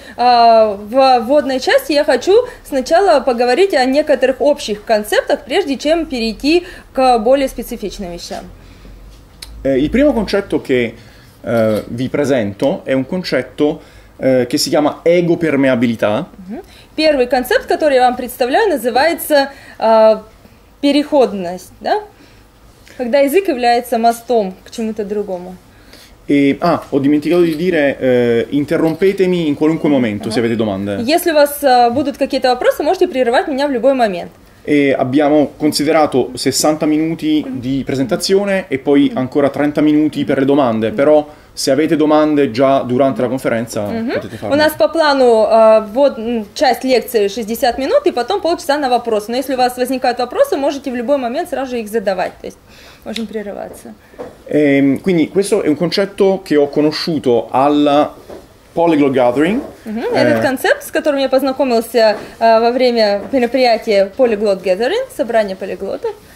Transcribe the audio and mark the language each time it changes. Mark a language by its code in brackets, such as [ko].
[ru] В вводной части я хочу сначала поговорить о некоторых общих концептах, прежде чем перейти к более специфичным вещам. [it] Il primo concetto che vi presento è un concetto che si chiama ego permeabilità. [ru] Первый концепт, который я вам представляю, называется переходность, да? Когда язык является мостом к чему-то другому. [it] Ho dimenticato di dire interrompetemi in qualunque momento se avete domande. [ru] Если у вас будут какие-то вопросы, можете прерывать меня в любой момент. [it] E abbiamo considerato 60 minuti di presentazione e poi ancora 30 minuti per le domande, però se avete domande già durante la conferenza potete [ru] У [it] farle. [ru] нас по плану часть лекции 60 минут и потом полчаса на вопросы. Но если у вас возникают вопросы, можете в любой момент сразу же их задавать. То есть можем прерываться. [it] Quindi questo è un concetto che ho conosciuto alla Polyglot [ru] Этот концепт, с которым я познакомился во время мероприятия Polyglot Gathering, собрание полиглотов.